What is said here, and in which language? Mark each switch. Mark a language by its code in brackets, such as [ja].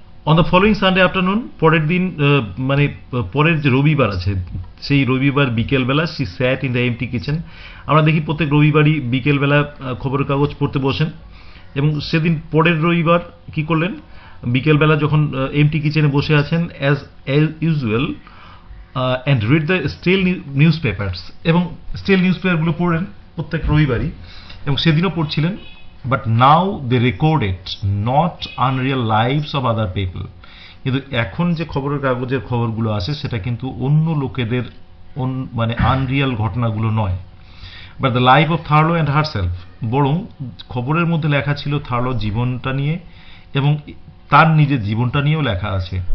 [en] on the following Sunday afternoon, [bn] পরের দিন মানে পরের যে রবিবার আছে সেই রবিবার বিকেলবেলা, [en] she sat in the empty kitchen, [bn] আমরা দেখি প্রত্যেক রবিবারই বিকেলবেলা খবরের কাগজ পড়তে বসেন, এবং সেদিন পরের রবিবার কী করলেন, বিকেলবেলা যখন এমটি কিচেনে বসে আছেন [en] as usual and read the still newspapers, [bn] এবং স্টিল নিউজ পেপারগুলো পড়েন প্রত্যেক রবিবারই এবং সেদিনও পড়ছিলেন। [en] But now they recorded not unreal lives of other people. [bn] কিন্তু এখন যে খবরের কাগজের খবরগুলো আসে সেটা কিন্তু অন্য লোকেদের মানে আনরিয়াল ঘটনাগুলো নয়, [en] but the life of Thurlow and herself, [bn] বরং খবরের মধ্যে লেখা ছিল থার্লোর জীবনটা নিয়ে এবং তার নিজের জীবনটা নিয়েও লেখা আছে।